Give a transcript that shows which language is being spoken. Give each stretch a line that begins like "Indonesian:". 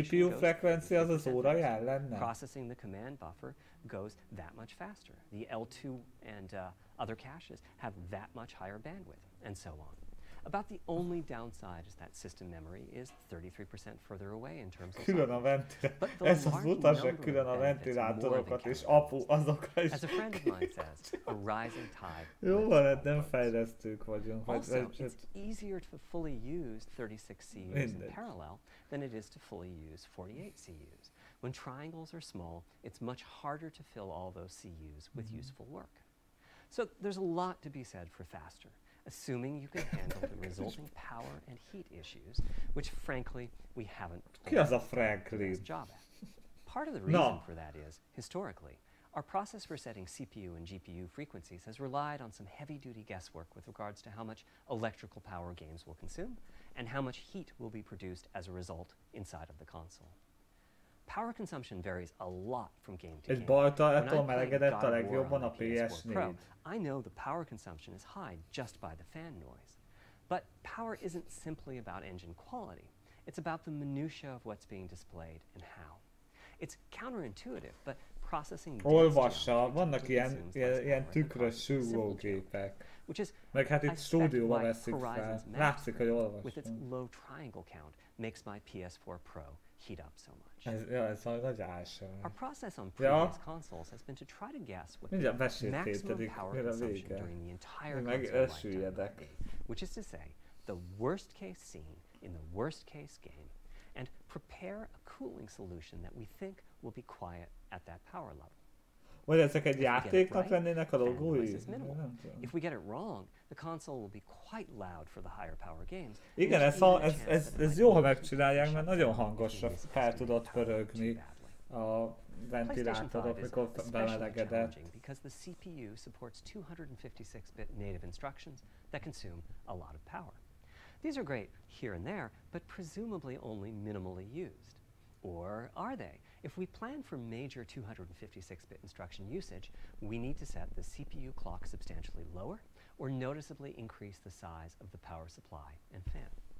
English: rasterization goes processing the command buffer goes that much faster. The L2 and other caches have that much higher bandwidth, and so on. About the only downside is that system memory is 33% further away in terms of
Hungarian: külön a ventilátorokat is apu azokra is.
English: As a friend of mine says, a rising tide.
Hungarian: Jó van, hát nem fejlesztők vagyunk.
English: Also, it's easier to fully use 36 CUs in parallel than it is to fully use 48 CUs. When triangles are small, it's much harder to fill all those CUs with useful work. So there's a lot to be said for faster. Assuming you can handle the resulting power and heat issues, which frankly we haven't done a job at. Part of the reason for that is, historically, our process for setting CPU and GPU frequencies has relied on some heavy-duty guesswork with regards to how much electrical power games will consume and how much heat will be produced as a result inside of the console. Power consumption varies a lot from game to game. I know the power consumption is high just by the fan noise. But power isn't simply about engine quality. It's about the minutia of what's being displayed and how. It's counterintuitive, but processing
Hungarian: olvassa, vannak ilyen tükrös súgógépek. Meg hát itt stúdióban veszik fel. Látszik, hogy olvasom.
English: With its low triangle count makes my PS4 Pro heat up so much.
Hungarian: Ez az nagy álsa.
English: Our process on previous consoles has been to try to guess what the maximum power consumption during the entire console lifetime, which is to say, the worst case scene in the worst case game, and prepare a cooling solution that we think will be quiet at that power level.
Hungarian: Vagy ezek egy játéknak lennének a logói?
English: If we get it wrong, the console will be quite loud for the higher power games.
Hungarian: Igen, ez jó, ha megcsinálják, mert nagyon hangosra fel tudott pörögni a ventilátorok, mikor bemelegedett.
English: Because the CPU supports 256-bit native instructions that consume a lot of power. These are great here and there, but presumably only minimally used. Or are they? If we plan for major 256-bit instruction usage, we need to set the CPU clock substantially lower or noticeably increase the size of the power supply and fan.